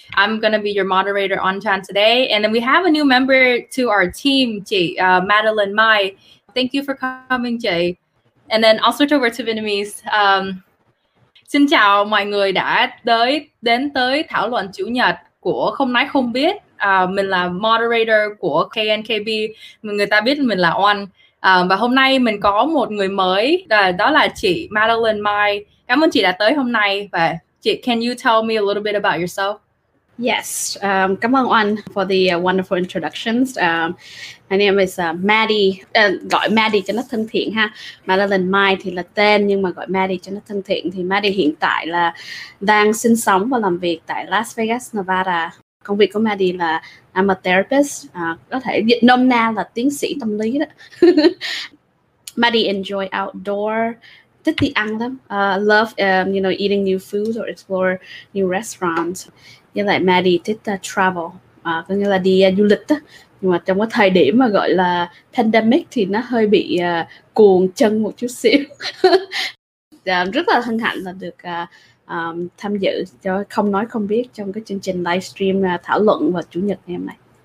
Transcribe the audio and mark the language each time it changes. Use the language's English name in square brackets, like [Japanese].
[English] I'm going to be your moderator on chat today. And then we have a new member to our team, Jay, Madeline Mai. Thank you for coming, Jay. And then I'll switch over to Vietnamese. [Vietnamese] Xin chào mọi người đã tới đến tới thảo luận chủ nhật của Khom Lai Khom Biet. Mình là moderator của KNKB. Người ta biết mình là On. Và hôm nay mình có một người mới, đó là chị Madeline Mai. Cảm ơn chị đã tới hôm nay. Và chị, [English] can you tell me a little bit about yourself? Yes, [Vietnamese] cảm ơn anh [English] for the wonderful introductions. My name is [Vietnamese] Maddie, gọi Maddie cho nó thân thiện ha. Madeline Mai thì là tên nhưng mà gọi Maddie cho nó thân thiện. Thì Maddie hiện tại là đang sinh sống và làm việc tại Las Vegas, Nevada. Công việc của Maddie là [English] I'm a therapist, [Vietnamese] có thể dịch nôm na là tiến sĩ tâm lý đó. [English] Maddie enjoy outdoor, [Vietnamese] thích đi ăn lắm, [English] love you know eating new foods or explore new restaurants. [Vietnamese] Như lại Maddie thích travel, có nghĩa là đi du lịch đó. Nhưng mà trong cái thời điểm mà gọi là pandemic thì nó hơi bị cuồng chân một chút xíu. rất là hân hạnh là được tham dự cho Không Nói Không Biết trong cái chương trình livestream thảo luận vào chủ nhật ngày hôm nay.